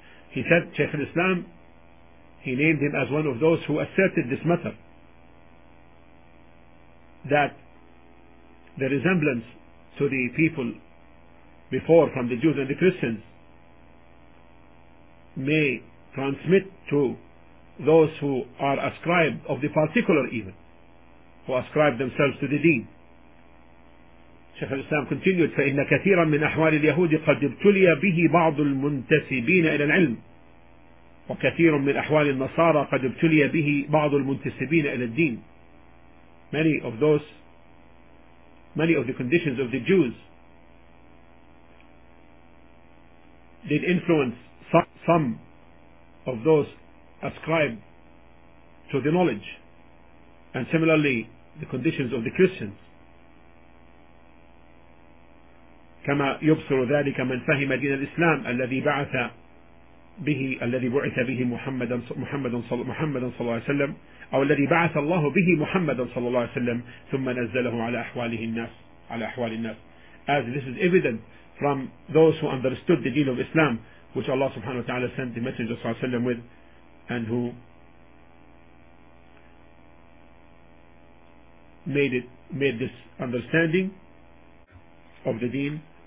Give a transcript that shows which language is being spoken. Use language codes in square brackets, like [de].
[en] He said, Shaykh al-Islam, he named him as one of those who asserted this matter, that the resemblance to the people before, from the Jews and the Christians, may transmit to those who are ascribed of the particular even, who ascribe themselves to the deen. Shaykh al-Islam continued, [ar] فَإِنَّ كَثِيرًا مِّنْ أَحْوَالِ الْيَهُودِ قَدْ ابْتُلِيَ بِهِ بَعْضُ الْمُنْتَسِبِينَ إِلَى الْعِلْمِ وكثير من أحوال النصارى قد ابتلي به بعض المنتسبين إلى الدين. [en] Many of the conditions of the Jews did influence some of those ascribed to the knowledge, and similarly the conditions of the Christians. [ar] كما يبصر ذلك من فهم دين الإسلام الذي بعث به الذي بعث به محمدا صلى الله عليه وسلم أو الذي بعث الله به محمدا صلى الله عليه وسلم ثم نزله على أحواله الناس على أحوال الناس. [en] As this is evident from those who understood the deen of Islam, which Allah subhanahu wa ta'ala sent the Messenger [ar] صلى الله عليه وسلم [en] with, and who made this understanding of the deen.